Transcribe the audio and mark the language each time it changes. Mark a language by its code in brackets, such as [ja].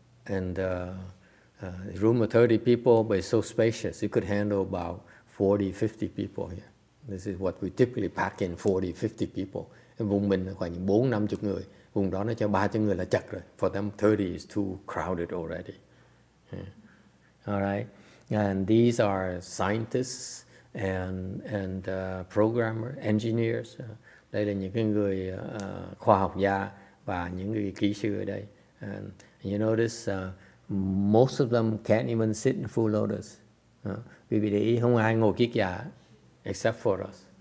[en] And room of 30 people, but it's so spacious, you could handle about 40, 50 people here. This is what we typically pack in, 40, 50 people. [vi] Vùng mình khoảng 4-50 người, vùng đó nó cho 30 người là chật rồi. [en] For them, 30 is too crowded already. Yeah. All right. And these are scientists and programmer, engineers. [vi] Đây là những cái người khoa học gia và những người kỹ sư ở đây. [en] And you notice most of them can't even sit in full lotus. [vi] Vì vậy để ý không ai ngồi kiết già [en] except for us.